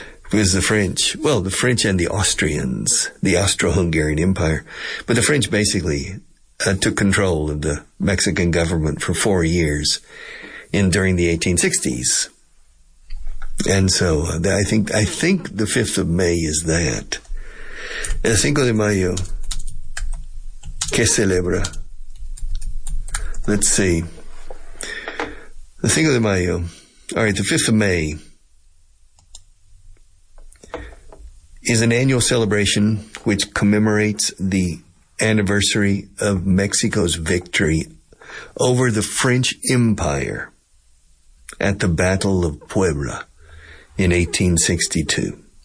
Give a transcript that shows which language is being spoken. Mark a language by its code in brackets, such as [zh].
[en] Because the French and the Austrians, the Austro-Hungarian Empire, but the French basically took control of the Mexican government for 4 years during the 1860s. And so I think the 5th of May is that. [es] El Cinco de Mayo, ¿qué celebra? [en] Let's see. The Cinco de Mayo, all right, the 5th of May is an annual celebration which commemorates the anniversary of Mexico's victory over the French Empire at the Battle of Puebla in 1862.